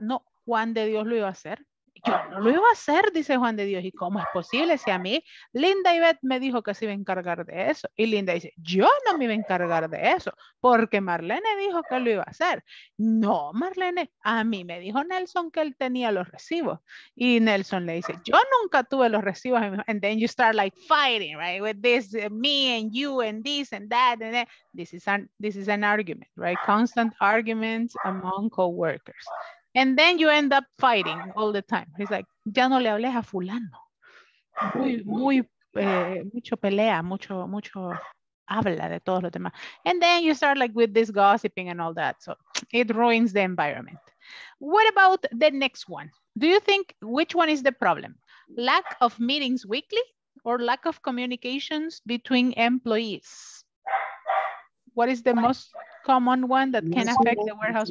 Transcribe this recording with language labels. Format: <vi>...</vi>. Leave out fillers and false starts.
<es>No, Juan de Dios lo iba a hacer. Yo no lo iba a hacer, dice Juan de Dios. ¿Y cómo es posible si a mí? Linda Ivette me dijo que se iba a encargar de eso. Y Linda dice, yo no me iba a encargar de eso porque Marlene dijo que lo iba a hacer. No, Marlene, a mí me dijo Nelson que él tenía los recibos. Y Nelson le dice, yo nunca tuve los recibos.</es> <en>And then you start like fighting, right? With this, me and you and this and that. And that. This is an argument, right? Constant arguments among coworkers. And then you end up fighting all the time. He's like,</en> <es>ya no le hables a fulano. Mucho pelea, mucho habla de todos los demás.</es> <en>And then you start like with this gossiping and all that. So it ruins the environment. What about the next one? Do you think which one is the problem? Lack of meetings weekly or lack of communications between employees? What is the most common one that can affect the warehouse</en>